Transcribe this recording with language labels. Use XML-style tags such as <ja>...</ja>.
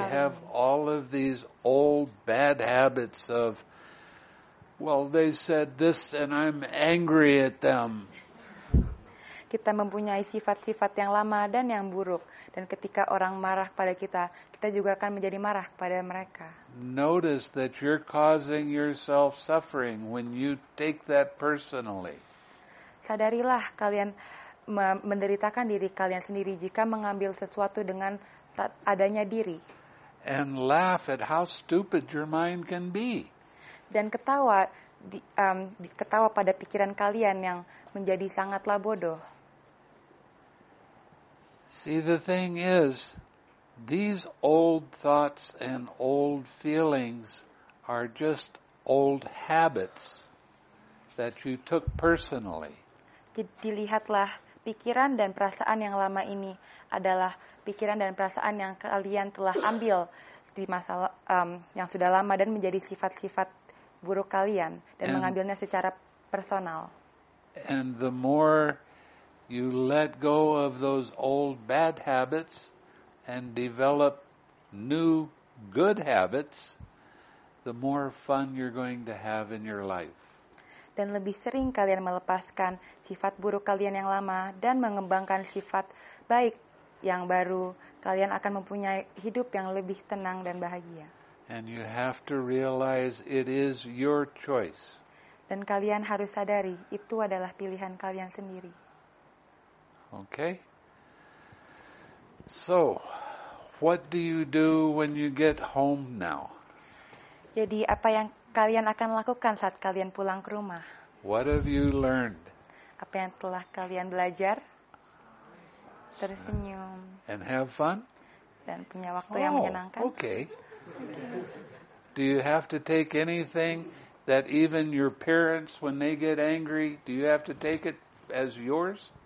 <en>We have all of these old bad habits of well, they said this and I'm angry at them.</en> <id>Kita mempunyai sifat-sifat yang lama dan yang buruk. Dan ketika orang marah pada kita, kita juga akan menjadi marah kepada mereka.</id> <en>Notice that you're causing yourself suffering when you take that personally.</en> <id>Sadarilah kalian menderitakan diri kalian sendiri jika mengambil sesuatu dengan adanya diri.</id> <en>And laugh at how stupid your mind can be.</en> <id>Dan ketawa ketawa pada pikiran kalian yang menjadi sangatlah bodoh.</id> <en>See, the thing is, these old thoughts and old feelings are just old habits that you took personally.</en> <id>Jadi lihatlah, pikiran dan perasaan yang lama ini adalah pikiran dan perasaan yang kalian telah ambil di masa yang sudah lama dan menjadi sifat-sifat buruk kalian dan mengambilnya secara personal.</id> <en>And the more you let go of those old bad habits and develop new good habits, the more fun you're going to have in your life.</en> <id>Dan lebih sering kalian melepaskan sifat buruk kalian yang lama dan mengembangkan sifat baik yang baru, kalian akan mempunyai hidup yang lebih tenang dan bahagia.</id> <en>And you have to realize it is your choice.</en> <id>Dan kalian harus sadari itu adalah pilihan kalian sendiri.</id> <en>Okay. So, what do you do when you get home now?</en> <id>Jadi apa yang kalian akan lakukan saat kalian pulang ke rumah?</id> <en>What have you learned?</en> <id>Apa yang telah kalian belajar? Tersenyum.</id> <en>And have fun?</en> <id>Dan punya waktu yang menyenangkan.</id> <en>Okay. Do you have to take anything that even your parents, when they get angry, do you have to take it as yours?</en>